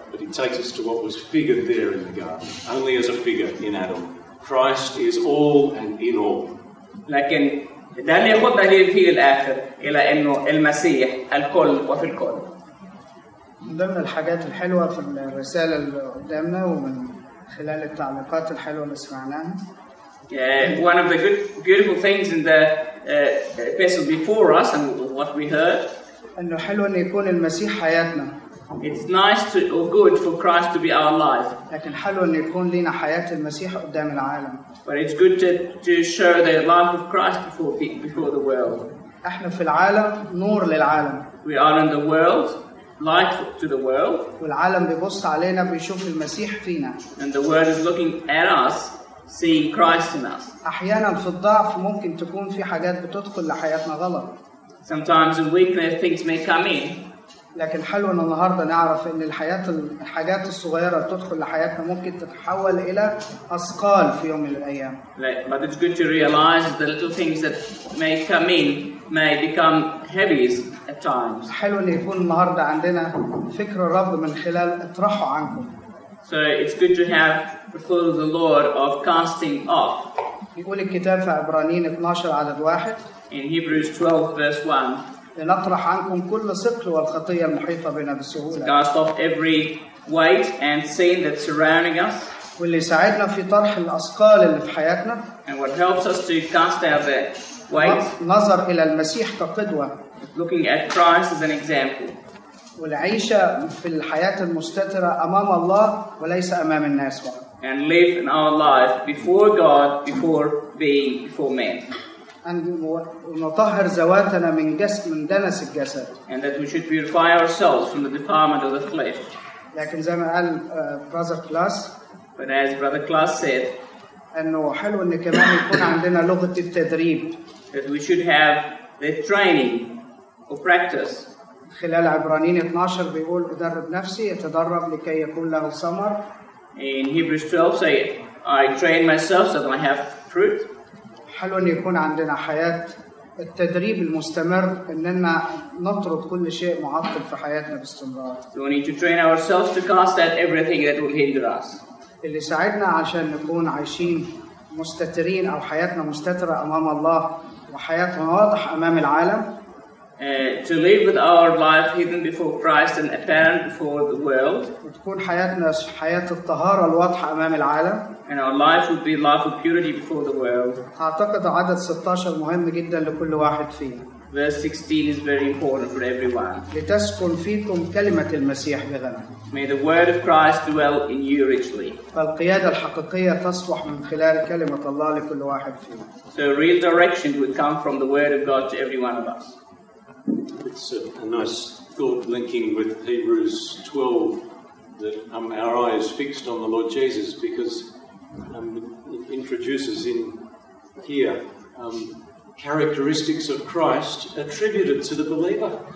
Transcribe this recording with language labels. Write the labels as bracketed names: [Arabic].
[English] But he takes us to what was figured there in the garden, only as a figure in Adam. Christ is all and in all. [Arabic] لكن ده اللي يخدنا ليه في الآخر إلى إنه المسيح الكل وفي الكل. من ضمن الحاجات الحلوة في الرسالة اللي قدامنا ومن خلال التعليقات الحلوة اللي سمعناها. [English] Yeah, one of the beautiful things in the epistle before us and what we heard. [Arabic] إنه حلو إن يكون المسيح حياتنا. [English] It's nice to or good for Christ to be our life. [Arabic] لكن حلو إن يكون لنا حياة المسيح قدام العالم. [English] But it's good to share the life of Christ before the world. [Arabic] إحنا في العالم نور للعالم. [English] We are in the world. Light to the world. [Arabic] والعالم بيبص علينا بيشوف المسيح فينا. [English] And the world is looking at us, seeing Christ in us. [Arabic] أحياناً في الضعف ممكن تكون في حاجات بتدخل لحياتنا غلط. [English] Sometimes in weakness things may come in. [Arabic] لكن حلو إن النهاردة نعرف إن الحياة الحاجات الصغيرة بتدخل لحياتنا ممكن تتحول إلى أثقال في يوم من الأيام. [English] But it's good to realize the little things that may come in may become heavies. [Arabic] حلو إن يكون النهاردة عندنا فكر الرب من خلال اطرحه عنكم. [English] So it's good to have the thought of the Lord of casting off. [Arabic] يقول الكتاب في عبرانيين 12 عدد 1. [English] In Hebrews 12 verse 1. [Arabic] لنطرح عنكم كل ثقل والخطية المحيطة بنا بسهولة. [English] To cast off every weight and sin that's surrounding us. [Arabic] واللي يساعدنا في طرح الأثقال اللي في حياتنا. [English] And what helps us to cast out the weight. [Arabic] نظر إلى المسيح كقدوة. [English] Looking at Christ as an example. [Arabic] والعيشة في الحياة المستترة أمام الله وليس أمام الناس. [English] And live in our life before God, before being, before man. [Arabic] And نطهر زواتنا من جسم من دنس الجسد. [English] And that we should purify ourselves from the defilement of the flesh. [Arabic] لكن زي ما قال Brother Klaus. [English] But as Brother Klaus said. [Arabic] إنه حلو إن كمان يكون عندنا لغة التدريب. [English] That we should have the training. Or practice. [Arabic] خلال عبرانيين 12 بيقول أدرب نفسي أتدرب لكي يكون له ثمر. [English] In Hebrews 12 say I train myself so that I have fruit. [Arabic] حلو أن يكون عندنا حياة التدريب المستمر اننا نطرد كل شيء معطل في حياتنا باستمرار. [English] We need to train ourselves to cast out everything that will hinder us. [Arabic] اللي ساعدنا عشان نكون عايشين مستترين او حياتنا مستتره امام الله وحياتنا واضح امام العالم. [English] To live with our life hidden before Christ and apparent before the world. [Arabic] وتكون حياتنا حياة الطهارة الواضحة أمام العالم. [English] And our life would be life of purity before the world. [Arabic] أعتقد عدد 16 مهم جدا لكل واحد فينا. [English] Verse 16 is very important for everyone. [Arabic] لتسكن فيكم كلمة المسيح بغنى. [English] May the word of Christ dwell in you richly. [Arabic] فالقيادة الحقيقية تصبح من خلال كلمة الله لكل واحد فينا. [English] So real direction would come from the word of God to every one of us. It's a nice thought linking with Hebrews 12 that our eye is fixed on the Lord Jesus, because it introduces in here characteristics of Christ attributed to the believer.